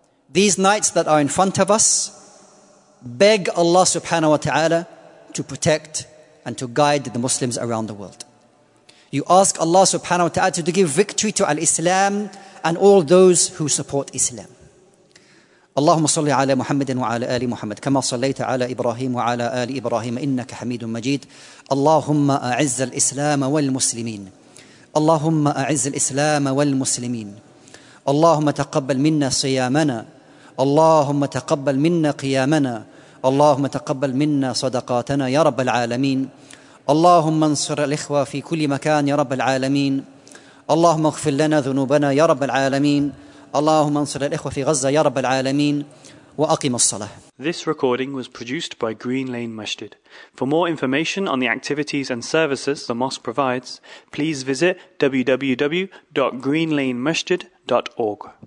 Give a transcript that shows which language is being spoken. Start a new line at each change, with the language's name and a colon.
English: These nights that are in front of us beg Allah subhanahu wa ta'ala to protect and to guide the Muslims around the world. You ask Allah subhanahu wa ta'ala to give victory to al-Islam and all those who support Islam.
Arabic: اللهم صل على محمد وعلى آل محمد كما صليت على إبراهيم وعلى آل إبراهيم إنك حميد مجيد. اللهم أعز الإسلام والمسلمين. اللهم أعز الإسلام والمسلمين. اللهم تقبل منا صيامنا. اللهم تقبل منا قيامنا. اللهم تقبل منا صدقاتنا يا رب العالمين. اللهم انصر الإخوة في كل مكان يا رب العالمين. اللهم اغفر لنا ذنوبنا يا رب العالمين. اللهم انصر الإخوة في غزة يا رب العالمين وأقم الصلاة.
English: This recording was produced by Green Lane Masjid. For more information on the activities and services the mosque provides, please visit www.greenlanemasjid.org.